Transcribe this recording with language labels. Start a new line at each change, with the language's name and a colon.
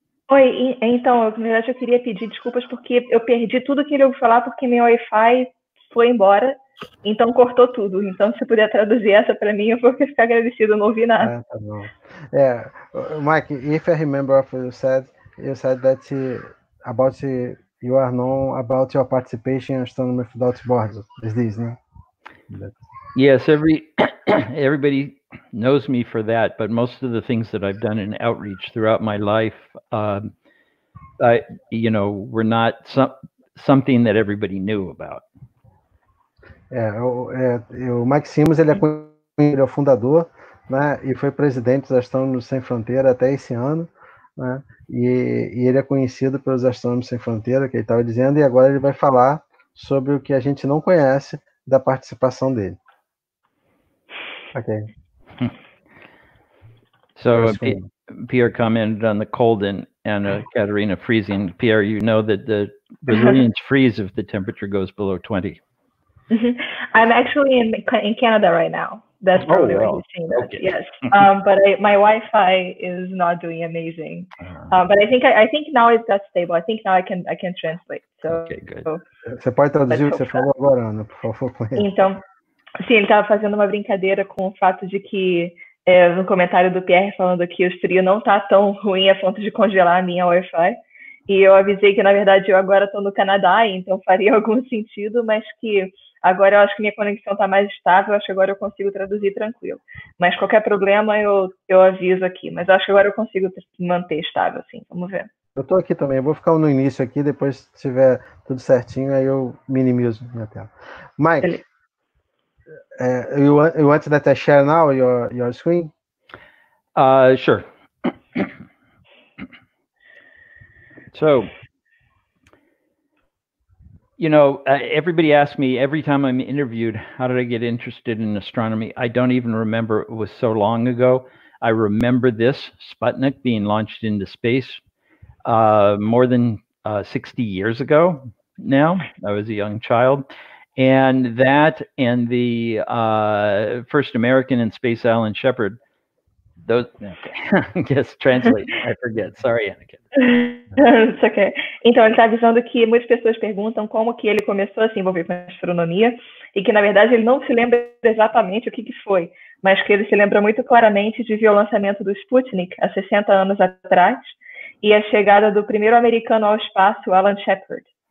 Portuguese: Oi, então, na verdade, eu queria pedir desculpas porque eu perdi tudo que ele ouviu falar porque meu Wi-Fi foi embora, então cortou tudo. Então, se você puder traduzir essa para mim, eu vou ficar agradecido, eu não ouvi nada. Tá bom.
English: Mike, if I remember what you said that about you are known about your participation in Astronomy Without Borders. Is this, né? Yes, everybody knows me for that, but most of the things that I've done in outreach throughout my life, were not something that everybody knew about.
Portuguese: O Mike Simmons, ele é o fundador, né, e foi presidente dos Astrônomos Sem Fronteira até esse ano, né, e ele é conhecido pelos Astrônomos Sem Fronteira, que ele estava dizendo, e agora ele vai falar sobre o que a gente não conhece da participação dele.
English: Okay. So Pierre commented on the cold and Katarina freezing. Pierre, you know that the Brazilians freeze if the temperature goes below 20. Mm-hmm. I'm actually in Canada right now. That's probably why you're seeing that. Okay. Yes. But my Wi-Fi is not doing amazing. But I think now it's got stable. I think now I can translate. So, okay, good.
Portuguese: Você pode traduzir o que você falou agora, Ana, por favor, por favor. Então, sim, ele estava fazendo uma brincadeira com o fato de que no comentário do Pierre falando que o frio não está tão ruim a ponto de congelar a minha Wi-Fi. E eu avisei que, na verdade, eu agora estou no Canadá, então faria algum sentido, mas que agora eu acho que minha conexão está mais estável, acho que agora eu consigo traduzir tranquilo. Mas qualquer problema eu aviso aqui, mas acho que agora eu consigo manter estável, assim, vamos ver. Eu estou aqui também, eu vou ficar no início aqui, depois se tiver tudo certinho, aí eu minimizo minha tela. Mike... Beleza.
English: You want that to share now your screen? Sure. So, you know, everybody asks me every time I'm interviewed, how did I get interested in astronomy? I don't even remember. It was so long ago. I remember this Sputnik being launched into space more than 60 years ago now. I was a young child. And that and the first American in space, Alan Shepard, those, okay. Yes, translate. I forget. Sorry, Anakin. It's okay.
Portuguese: Então, ele está avisando que muitas pessoas perguntam como que ele começou a se envolver com a astronomia e que, na verdade, ele não se lembra exatamente o que foi, mas que ele se lembra muito claramente de ver o lançamento do Sputnik há 60 anos atrás e a chegada do primeiro americano ao espaço, Alan Shepard.